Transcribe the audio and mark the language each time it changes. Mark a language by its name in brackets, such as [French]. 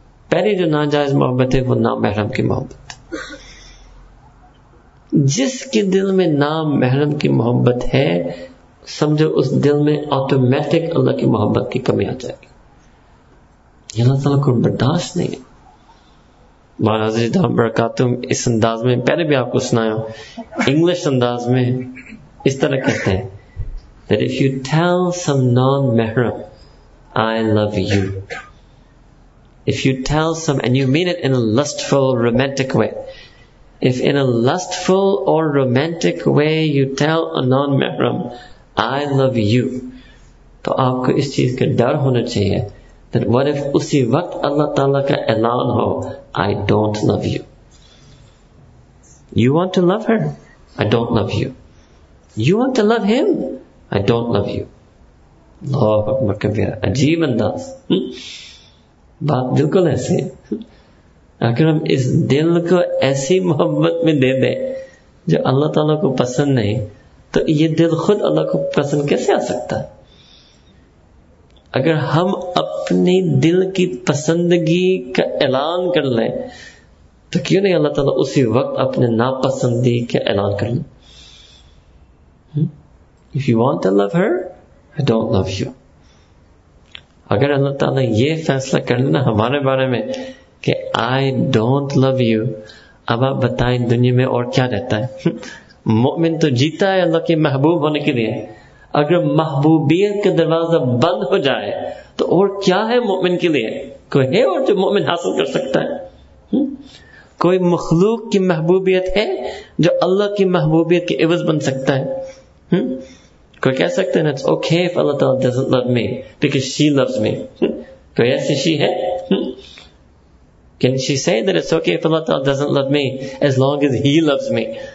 [Urdu] پہلی جو ناجائز محبت ہے وہ نامحرم کی محبت. جس کے دل میں نامحرم کی محبت ہے, سمجھو اس دل میں آٹومیٹک اللہ کی محبت کی کمی آ جائے گی. یہ اللہ تعالیٰ کو برداشت نہیں ہے. مولانا حضرت دام برکاتم اس انداز میں, پہلے بھی آپ کو سنایا انگلش انداز میں, اس طرح کہتے ہیں [English] that if you tell some non-mahram I love you, if you tell some and you mean it in a lustful romantic way, if in a lustful or romantic way you tell a non-mahram I love you, [Urdu] تو آپ کو اس چیز کا ڈر ہونا چاہیے [English] that what if [Urdu] اسی وقت اللہ تعالیٰ کا اعلان ہو [English] I don't love you, you want to love her I don't love you, you want to love him I don't love you. [Urdu] اللہ اکبر کبیرہ, عجیب انداز, بات بالکل ایسے. اگر ہم اس دل کو ایسی محبت میں دے دیں جو اللہ تعالیٰ کو پسند نہیں, تو یہ دل خود اللہ کو پسند کیسے آ سکتا ہے؟ اگر ہم اپنی دل کی پسندگی کا اعلان کر لیں تو کیوں نہیں اللہ تعالیٰ اسی وقت اپنے ناپسندی کا اعلان کر لیں. [English] If you want to love her, I don't love you. [Urdu] اگر اللہ تعالیٰ یہ فیصلہ کر لینا ہمارے بارے میں کہ [English] I don't love you, [Urdu] اب آپ بتائیں دنیا میں اور کیا رہتا ہے؟ مومن تو جیتا ہے اللہ کے محبوب ہونے کے لیے. اگر محبوبیت کا دروازہ بند ہو جائے تو اور کیا ہے مومن کے لیے؟ کوئی ہے اور جو مومن حاصل کر سکتا ہے؟ کوئی مخلوق کی محبوبیت ہے جو اللہ کی محبوبیت کے عوض بن سکتا ہے؟ کوئی کہہ سکتا ہے [English] it's okay if Allah تعالیٰ doesn't love me because she loves me, [Urdu] کوئی ایسی شی ہے؟ [English] Can she say that it's okay if Allah Ta'ala doesn't love me as long as He loves me?